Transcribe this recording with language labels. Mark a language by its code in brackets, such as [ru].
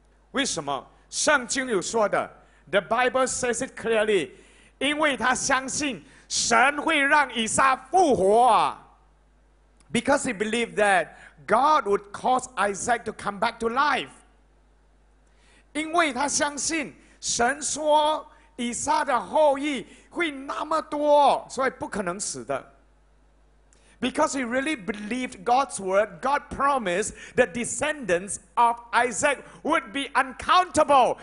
[zh] 为什么？圣经有说的， [en] The Bible says it clearly, [zh] 因为他相信神会让以撒复活啊。 [en] Because he believed that God would cause Isaac to come back to life. [zh] 因为他相信神说以撒的后裔会那么多，所以不可能死的。 [en] Because he really believed God's word, God promised the descendants of Isaac would be uncountable.